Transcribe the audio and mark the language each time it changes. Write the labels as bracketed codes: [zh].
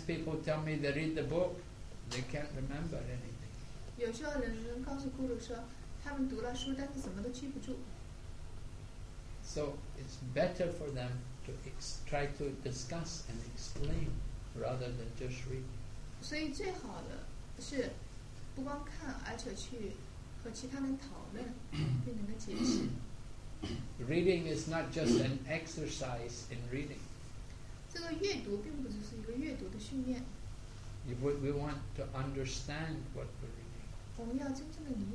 [en] people tell me they read the book, they can't remember anything. [zh] 有些人告诉咕噜说，他们读了书，但是什么都记不住。So [en] it's better for them to try to discuss and explain rather than just read. [zh] 所以最好的是不光看，而且去和其他人讨论，并能够解释。 [en] Reading is not just an exercise in reading. We want to understand what we're reading.